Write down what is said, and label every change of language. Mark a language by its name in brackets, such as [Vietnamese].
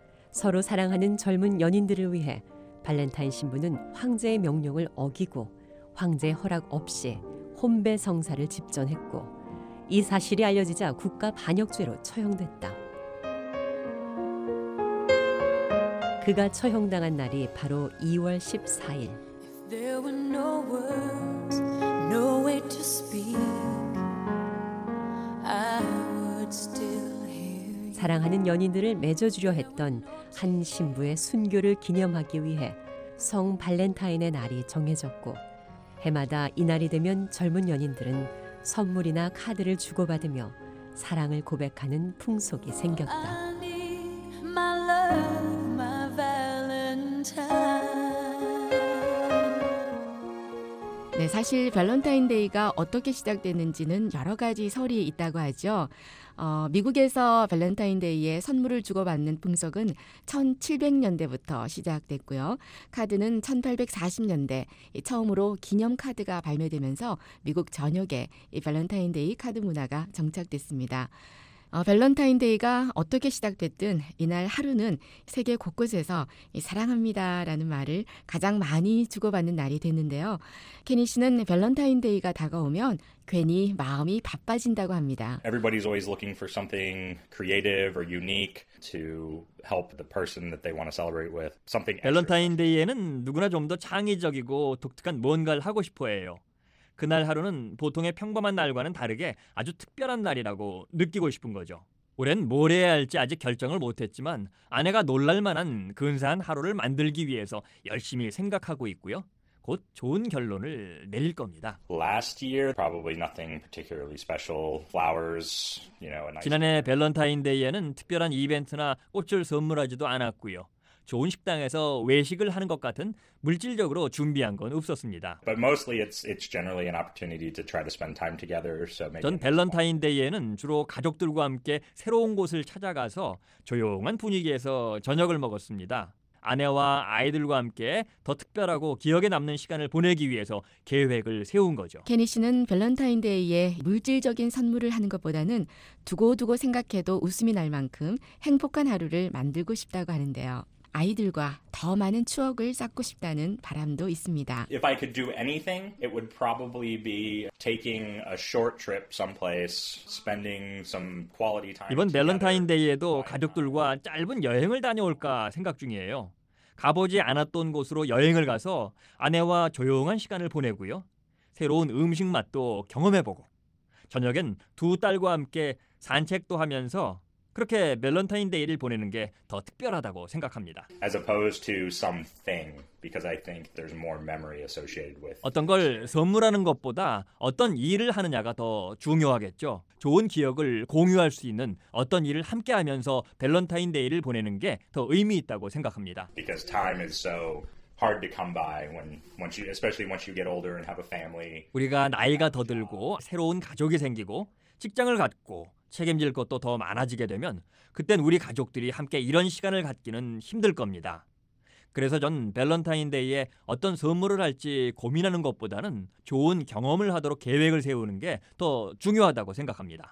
[Korean] 서로 사랑하는 젊은 연인들을 위해 발렌타인 신부는 황제의 명령을 어기고 황제의 허락 없이 혼배 성사를 집전했고, 이 사실이 알려지자 국가 반역죄로 처형됐다. 그가 처형당한 날이 바로 2월 14일. [English] If there were no words, no way to speak, I would still hear you. [Korean] 사랑하는 연인들을 맺어주려 했던 한 신부의 순교를 기념하기 위해 성 발렌타인의 날이 정해졌고, 해마다 이 날이 되면 젊은 연인들은 선물이나 카드를 주고받으며 사랑을 고백하는 풍속이 생겼다. 네, 사실 밸런타인데이가 어떻게 시작됐는지는 여러 가지 설이 있다고 하죠. 미국에서 밸런타인데이에 선물을 주고받는 풍속은 1700년대부터 시작됐고요. 카드는 1840년대 처음으로 기념카드가 발매되면서 미국 전역에 이 밸런타인데이 카드 문화가 정착됐습니다. 밸런타인데이가 어떻게 시작됐든 이날 하루는 세계 곳곳에서 사랑합니다라는 말을 가장 많이 주고받는 날이 됐는데요. 케니 씨는 밸런타인데이가 다가오면 괜히 마음이 바빠진다고 합니다. [English] Everybody's always looking for something creative or unique to help the person that they want to celebrate with. Something [Korean] 밸런타인데이에는 누구나 좀 더 창의적이고 독특한 무언가를 하고 싶어해요. 그날 하루는 보통의 평범한 날과는 다르게 아주 특별한 날이라고 느끼고 싶은 거죠. 올해는 뭘 해야 할지 아직 결정을 못했지만 아내가 놀랄만한 근사한 하루를 만들기 위해서 열심히 생각하고 있고요. 곧 좋은 결론을 내릴 겁니다. [English] Last year, probably nothing particularly special. Flowers, you know, a nice... [Korean] 지난해 밸런타인데이에는 특별한 이벤트나 꽃을 선물하지도 않았고요. 좋은 식당에서 외식을 하는 것 같은 물질적으로 준비한 건 없었습니다. [English] But mostly it's generally an opportunity to try to spend time together. So [Korean] 전 밸런타인데이에는 주로 가족들과 함께 새로운 곳을 찾아가서 조용한 분위기에서 저녁을 먹었습니다. 아내와 아이들과 함께 더 특별하고 기억에 남는 시간을 보내기 위해서 계획을 세운 거죠. 케니 씨는 밸런타인데이에 물질적인 선물을 하는 것보다는 두고두고 생각해도 웃음이 날 만큼 행복한 하루를 만들고 싶다고 하는데요. 아이들과 더 많은 추억을 쌓고 싶다는 바람도 있습니다. [English] If I could do anything, it would probably be taking a short trip someplace, spending some quality time. [Korean] 이번 밸런타인데이에도 가족들과 짧은 여행을 다녀올까 생각 중이에요. 가보지 않았던 곳으로 여행을 가서 아내와 조용한 시간을 보내고요. 새로운 음식 맛도 경험해보고 저녁엔 두 딸과 함께 산책도 하면서 그렇게 밸런타인데이를 보내는 게 더 특별하다고 생각합니다. [English] As opposed to something, because I think there's more memory associated with [Korean] 어떤 걸 선물하는 것보다 어떤 일을 하느냐가 더 중요하겠죠. 좋은 기억을 공유할 수 있는 어떤 일을 함께하면서 밸런타인데이를 보내는 게 더 의미 있다고 생각합니다. [English] Because time is so hard to come by when once you especially once you get older and have a family. [Korean] 우리가 나이가 더 들고 새로운 가족이 생기고 직장을 갖고 책임질 것도 더 많아지게 되면 그땐 우리 가족들이 함께 이런 시간을 갖기는 힘들 겁니다. 그래서 전 밸런타인데이에 어떤 선물을 할지 고민하는 것보다는 좋은 경험을 하도록 계획을 세우는 게 더 중요하다고 생각합니다.